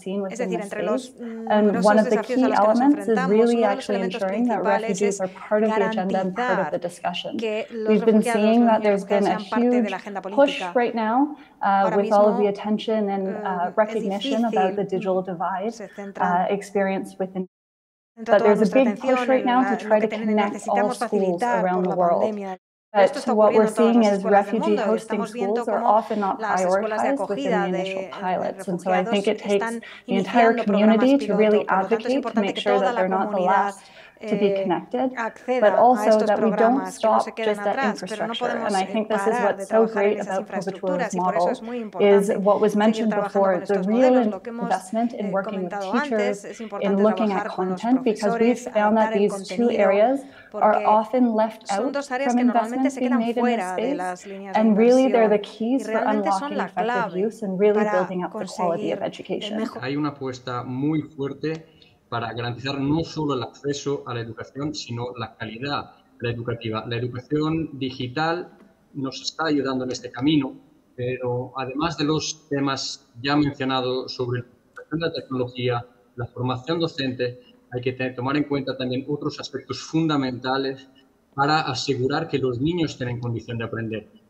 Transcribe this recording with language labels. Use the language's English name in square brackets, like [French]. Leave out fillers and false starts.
[Spanish] Es decir, entre los numerosos desafíos a los que nos enfrentamos, uno de los elementos principales es garantizar que los refugiados, los niños y niñas sean parte de la agenda política. [English] With all of the attention and recognition about the digital divide experience within, but there's a big push right now to try to connect all schools around the world. But what we're seeing is refugee hosting schools are often not prioritized within the initial pilots, and so I think it takes the entire community to really advocate to make sure that they're not the last to be connected, but also that we don't stop just at infrastructure. And I think this is what's so great about Profuturo's model, is what was mentioned before, the real investment in working with teachers, in looking at content, because we've found that these two areas are often left out from investments being made in this space, and really they're the keys for unlocking effective use and really building up the quality of education. [Spanish] Hay una apuesta muy fuerte para garantizar no solo el acceso a la educación, sino la calidad la educativa. La educación digital nos está ayudando en este camino, pero además de los temas ya mencionados sobre la educación de la tecnología, la formación docente, hay que tomar en cuenta también otros aspectos fundamentales para asegurar que los niños estén en condición de aprender.